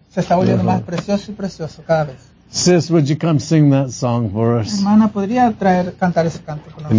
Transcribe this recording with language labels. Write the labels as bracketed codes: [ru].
[es] Se está volviendo más precioso y precioso cada vez. [en] Sis, would you come sing that song for us? [es] Hermana, ¿podría traer, cantar ese canto con nosotros?